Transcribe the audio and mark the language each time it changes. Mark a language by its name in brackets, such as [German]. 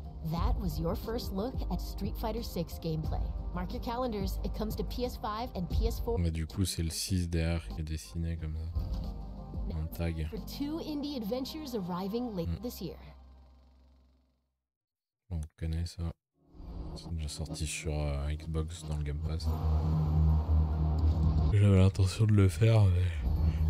[English] That was your first look at Street Fighter 6 gameplay. Mark your calendars, it comes to PS5 and PS4. [French] Mais du coup, c'est le 6 derrière qui est dessiné comme ça. [English] For two indie adventures arriving late this year. [French] On connaît ça. C'est déjà sorti sur Xbox dans le Game Pass. J'avais l'intention de le faire, mais